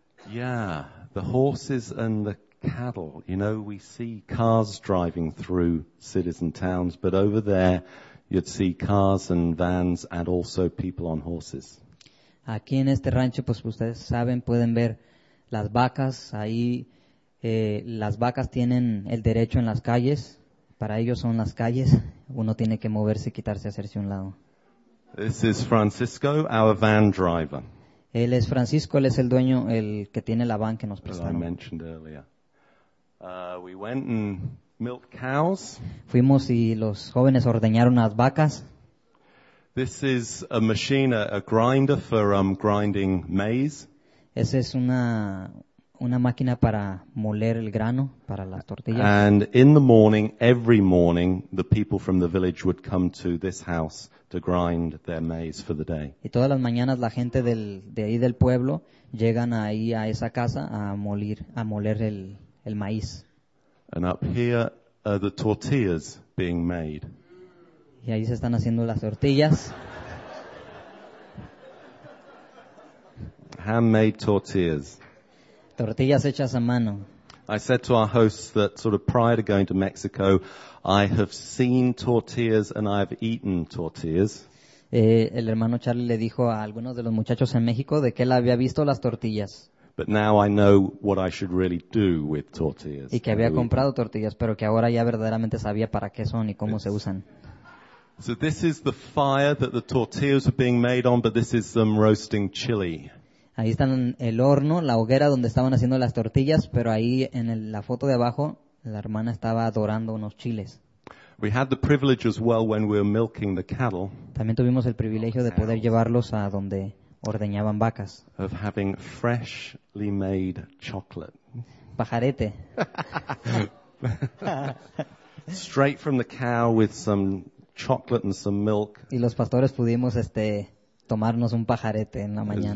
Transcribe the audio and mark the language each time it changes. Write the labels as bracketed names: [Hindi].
[English] Yeah, the horses and the cattle. You know, we see cars driving through cities and towns, but over there you'd see cars and vans and also people on horses. [Spanish] Aquí en este rancho, pues ustedes saben, pueden ver las vacas. Ahí las vacas tienen el derecho en las calles. Para ellos son las calles. Uno tiene que moverse, quitarse, hacerse un lado. [English] This is Francisco, our van driver. [Spanish] Él es Francisco, él es el dueño, el que tiene la van que nos prestaron. [English] We went and milked cows. [Spanish] Fuimos y los jóvenes ordeñaron las vacas. [English] This is a machine, a grinder for grinding maize. [Spanish] Esa es una máquina para moler el grano, para las tortillas. [English] And in the morning, every morning, the people from the village would come to this house to grind their maize for the day. [Spanish] Y todas las mañanas la gente de ahí del pueblo llegan ahí a esa casa a moler el maíz. [English] And up here are the tortillas being made. [Spanish] Y ahí se están haciendo las tortillas. [English] Handmade tortillas. [Spanish] Tortillas hechas a mano. [English] I said to our hosts that sort of prior to going to Mexico, I have seen tortillas and I have eaten tortillas. [Spanish] El hermano Charlie le dijo a algunos de los muchachos en México de que él había visto las tortillas. [English] But now I know what I should really do with tortillas. [Spanish] Y que había comprado tortillas, pero que ahora ya verdaderamente sabía para qué son y cómo se usan. [English] So this is the fire that the tortillas are being made on, but this is them roasting chili. [Spanish] Ahí están el horno, la hoguera donde estaban haciendo las tortillas, pero ahí en la foto de abajo, la hermana estaba dorando unos chiles. [English] We had the privilege as well when we were milking the cattle. [Spanish] También tuvimos el privilegio de poder llevarlos a donde ordeñaban vacas. [English] Of having freshly made chocolate. [Spanish] Pajarete. [English] Straight from the cow with some chocolate and some milk. [Spanish] Y los pastores pudimos tomarnos un pajarete en la mañana.